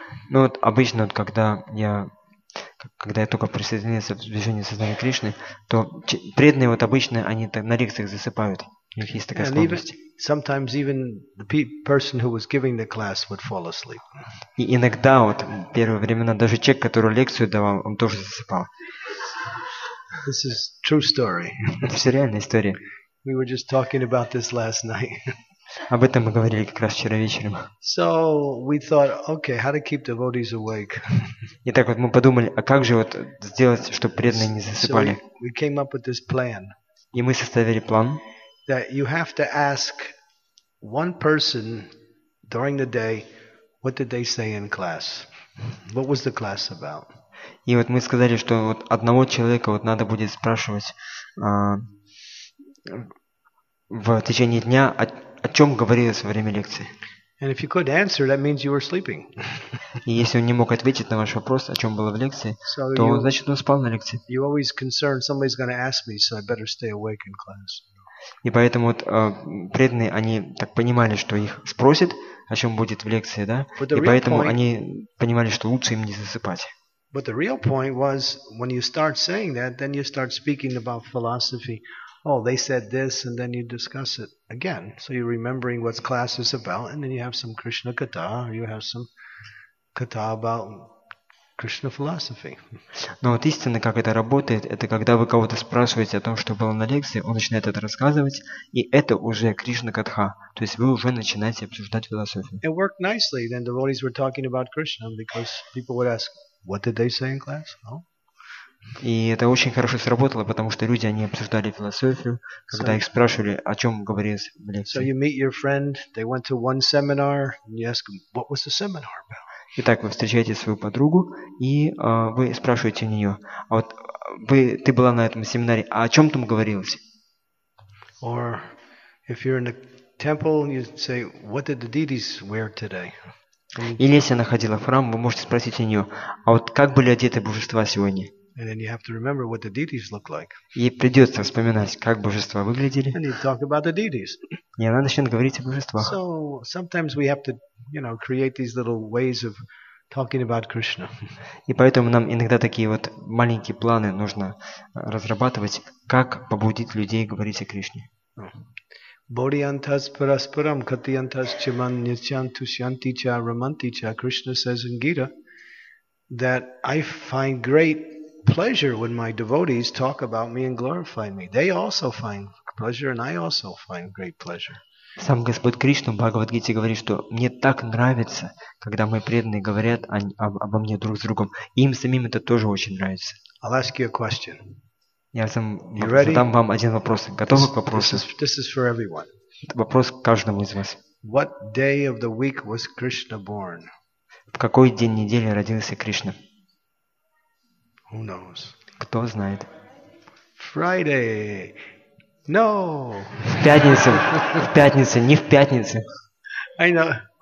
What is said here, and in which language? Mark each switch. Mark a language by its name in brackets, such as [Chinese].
[Russian] Ну вот обычно, вот, когда я только присоединился в движение сознания Кришны, то преданные вот обычно они так на лекциях засыпают. У них есть такая склонность. [English] Sometimes even the person who was giving the class would fall asleep. [Russian] И иногда вот в первые времена даже человек, который лекцию давал, он тоже засыпал. [English] This is true story. [Russian] Это все реальная история. [English] We were just talking about this last night. [Russian] Об этом мы говорили как раз вчера вечером. [English] So we thought, okay, how to keep devotees awake? [Russian] Итак, вот мы подумали, а как же вот сделать, чтобы преданные не засыпали? [English] So we came up with this plan. [Russian] И мы составили план. [English] That you have to ask one person during the day, what did they say in class? What was the class about? [Russian] И вот мы сказали, что вот одного человека вот надо будет спрашивать в течение дня, о чем говорилось во время лекции. [English] And if you could answer, that means you were sleeping. [Russian] И если он не мог ответить на ваш вопрос, о чем было в лекции, [English] so [Russian] то [English] you, [Russian] значит он спал на лекции. [English] You always concerned somebody's going to ask me, so I better stay awake in class. [Russian] И поэтому вот преданные, они так понимали, что их спросят, о чем будет в лекции, да? И поэтому [English] point, [Russian] они понимали, что лучше им не засыпать. [English] But the real point was, when you start saying that, then you start speaking about philosophy. Oh, they said this, and then you discuss it again. So you're remembering what class is about, and then you have some Krishna katha, or you have some katha about Krishna philosophy. [Russian] Но вот истинно, как это работает, это когда вы кого-то спрашиваете о том, что было на лекции, он начинает это рассказывать, и это уже Кришна катха. То есть вы уже начинаете обсуждать философию. [English] It worked nicely. Then the devotees were talking about Krishna because people would ask, "What did they say in class?" No. [Russian] И это очень хорошо сработало, потому что люди, они обсуждали философию, когда их спрашивали, о чем говорилось в лекции. [English] So you meet your friend, they went to one seminar, and you ask them, what was the seminar about? [Russian] Итак, вы встречаете свою подругу, и вы спрашиваете у нее, а вот ты была на этом семинаре, а о чем там говорилось? [English] Or if you're in a temple, you say, what did the deities wear today? [Russian] Или если она ходила в храм, вы можете спросить у нее, а вот как были одеты божества сегодня? [English] And then you have to remember what the deities look like. [Russian] И придется вспоминать, как божества выглядели. [English] And you talk about the deities. [Russian] И она начнет говорить о божествах. [English] So sometimes we have to, you know, create these little ways of talking about Krishna. [Russian] И поэтому нам иногда такие вот маленькие планы нужно разрабатывать, как побудить людей говорить о Кришне. [Sanskrit] Bodhyantas parasparam katyantas chiman nityantu shanti cha ramanti cha. [English] Krishna says in Gita that I find great pleasure when my devotees talk about me and glorify me. They also find pleasure, and I also find great pleasure. [Russian] Сам Господь Кришна в Бхагавад-гите говорит, что мне так нравится, когда мои преданные говорят обо мне друг с другом. Им самим это тоже очень нравится. [English] I'll ask you a question. [Russian] Я сам задам вам один вопрос. Готовы к вопросу? [English] This is for everyone. [Russian] Это вопрос к каждому из вас. [English] What day of the week was Krishna born? [Russian] В какой день недели родился Кришна? [English] Who knows? [Russian] Кто знает? [English] Friday. No. [Russian] В пятницу. В пятницу, не в пятницу. [English] I know.